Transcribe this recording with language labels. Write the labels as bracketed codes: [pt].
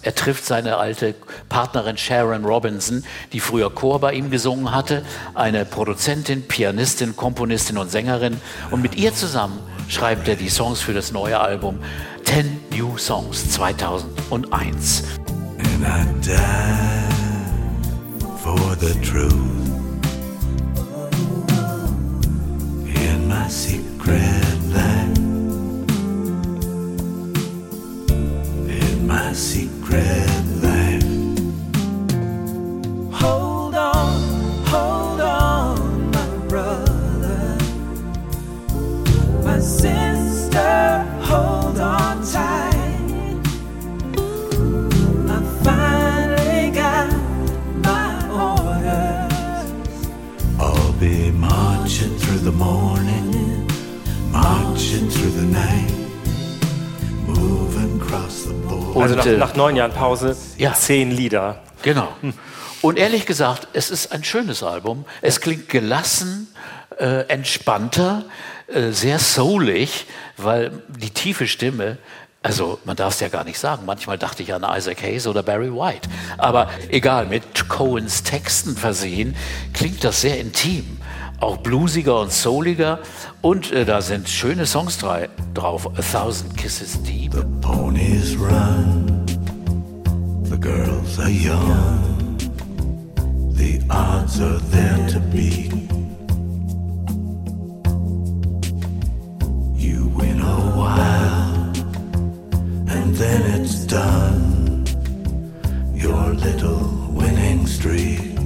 [de] Er trifft seine alte Partnerin Sharon Robinson, die früher Chor bei ihm gesungen hatte, eine Produzentin, Pianistin, Komponistin und Sängerin. Und mit ihr zusammen schreibt er die Songs für das neue Album 10 New Songs 2001. [en] And I die for the truth in my secret life. My secret life. Hold on, hold on, my brother, my sister, hold on tight. I finally got my orders. I'll be marching through the morning, marching through the night. [de] Also nach 9 Jahren Pause, 10 Lieder. Genau. Und ehrlich gesagt, es ist ein schönes Album. Es klingt gelassen, entspannter, sehr soulig, weil die tiefe Stimme, also man darf es ja gar nicht sagen, manchmal dachte ich an Isaac Hayes oder Barry White. Aber egal, mit Cohens Texten versehen, klingt das sehr intim. Auch bluesiger und souliger. Und da sind schöne Songs drauf. [en] 1000 Kisses Deep. The ponies run, the girls are young, the odds are there to beat. You win a while, and then it's done, your little winning streak.